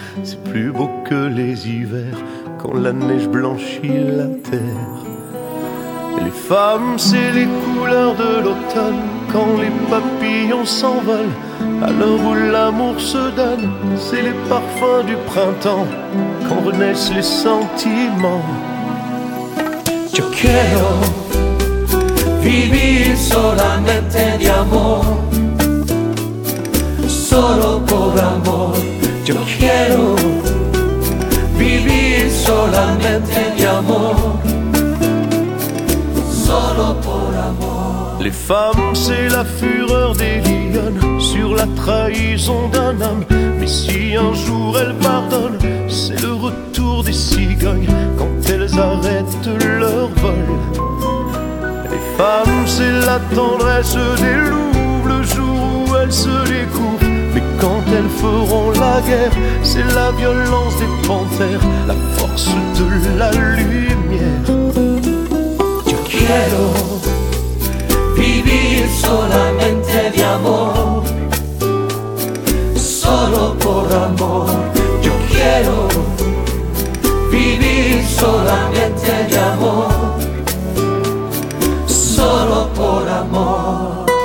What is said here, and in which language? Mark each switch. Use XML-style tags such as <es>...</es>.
<fr>C'est plus beau que les hivers, quand la neige blanchit la terre. Les femmes, c'est les couleurs de l'automne, quand les papillons s'envolent, à l'heure où l'amour se donne, c'est les parfums du printemps, quand renaissent les sentiments.</fr> <es>Yo quiero vivir solamente de amor, solo por amor. Yo quiero vivir solamente de amor.</es> <fr>Les femmes, c'est la fureur des lionnes sur la trahison d'un homme. Mais si un jour elles pardonnent, c'est le retour des cigognes quand elles arrêtent leur vol. Les femmes, c'est la tendresse des loups le jour où elles se découvrent. Mais quand elles feront la guerre, c'est la violence des panthères, la force de la lumière.</fr> <es>Yo quiero vivir solamente de amor, solo por amor. Yo quiero vivir solamente de amor, solo por amor.</es>